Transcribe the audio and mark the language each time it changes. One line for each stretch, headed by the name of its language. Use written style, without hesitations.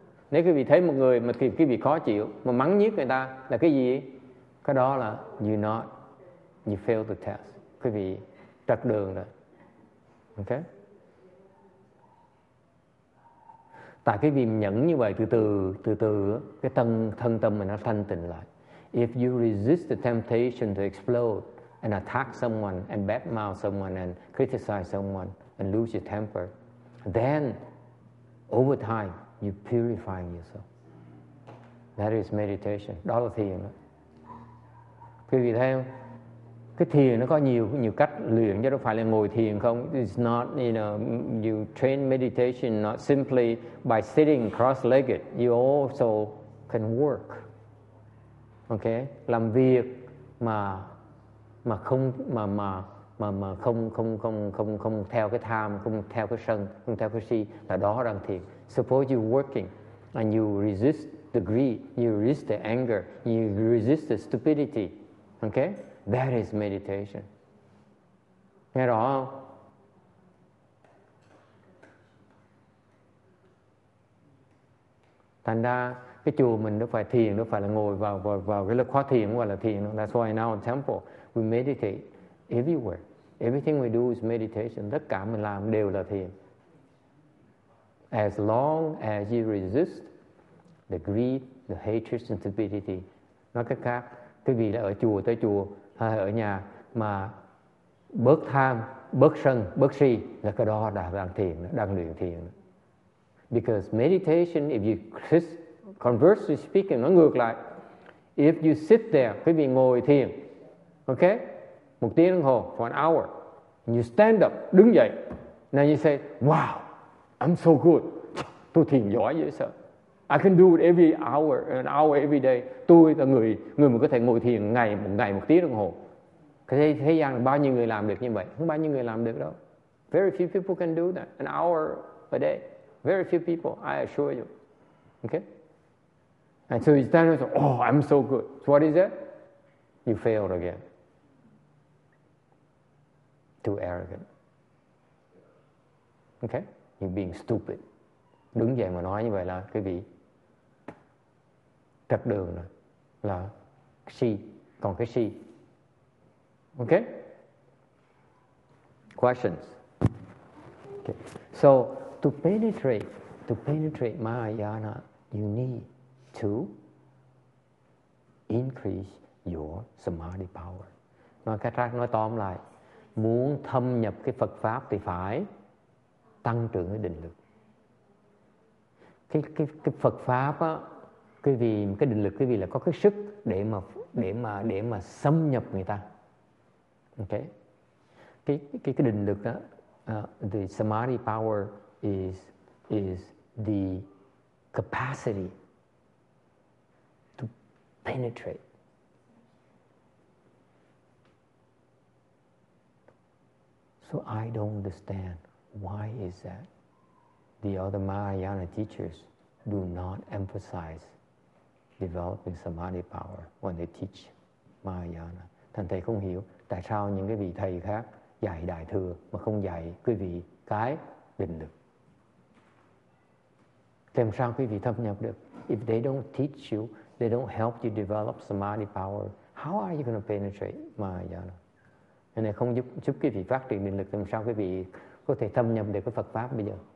Vietnamese: Nếu quý vị thấy một người mà quý vị khó chịu, mà mắng nhiếc người ta là cái gì? Cái đó là
English: you fail the test.
Vietnamese: Quý vị trật đường rồi. Okay? Tại cái vì nhẫn như vậy, từ từ cái thân tâm mình nó thanh tịnh lại.
English: If you resist the temptation to explode and attack someone and badmouth someone and criticize someone and lose your temper, then over time you purify yourself. That is meditation.
Vietnamese: Đó là thiền. Quý vị thấy không? Cái thiền nó có nhiều cách luyện, chứ đâu phải là ngồi thiền không.
English: It's not, you know, you train meditation not simply by sitting cross-legged. You also can work. Okay?
Vietnamese: Làm việc mà không theo cái tham, không theo cái sân, không theo cái si, là đó đang thiền.
English: Suppose you're working and you resist the greed, you resist the anger, you resist the stupidity. Okay? That is meditation.
Vietnamese: Nghe rõ không? Thành ra cái chùa mình nó phải thiền, nó phải là ngồi vào cái lớp khóa thiền, gọi là thiền.
English: That's why in our temple we meditate everywhere. Everything we do is meditation.
Vietnamese: Tất cả mình làm đều là thiền.
English: As long as you resist the greed, the hatred, and stupidity.
Vietnamese: Nói cách khác, cái vị là ở chùa tới chùa hay ở nhà mà bớt tham, bớt sân, bớt si, là cái đó là đang thiền, đang luyện thiền.
English: Because meditation, if you conversely speaking,
Vietnamese: nó ngược lại.
English: If you sit there,
Vietnamese: quý vị ngồi thiền,
English: okay,
Vietnamese: một tiếng đồng hồ,
English: for an hour, and you stand up,
Vietnamese: đứng dậy,
English: now you say, wow, I'm so good,
Vietnamese: tôi thiền giỏi dễ sợ.
English: I can do it every hour, an hour every day.
Vietnamese: Tôi là người mà có thể ngồi thiền ngày một tiếng đồng hồ. Thế gian bao nhiêu người làm được như vậy? Không bao nhiêu người làm được đâu.
English: Very few people can do that, an hour a day. Very few people, I assure you. Okay? And so you stand up and say, oh, I'm so good. So what is that? You failed again. Too arrogant. Okay? You're being stupid.
Vietnamese: Đứng dậy mà nói như vậy là quý vị trật đường rồi, là si, còn cái si
English: Okay? Questions? Okay. So to penetrate Mahayana, you need to increase your samadhi power.
Vietnamese: Katrak nói tóm lại, muốn thâm nhập cái Phật pháp thì phải tăng trưởng cái định lực. Cái Phật pháp á, quý vị, cái định lực quý vị là có cái sức để mà xâm nhập người ta.
English: Ok.
Vietnamese: Cái định lực á,
English: the samadhi power is the capacity to penetrate. So I don't understand why is that the other Mahayana teachers do not emphasize developing samadhi power when they teach Mahayana.
Vietnamese: Thành thầy không hiểu tại sao những cái vị thầy khác dạy đại thừa mà không dạy quý vị cái định lực. Làm sao quý vị thâm nhập được?
English: If they don't teach you, they don't help you develop samadhi power, how are you going to penetrate Mahayana?
Vietnamese: Nên này không giúp quý vị phát triển định lực, làm sao quý vị có thể thâm nhập được cái Phật pháp bây giờ?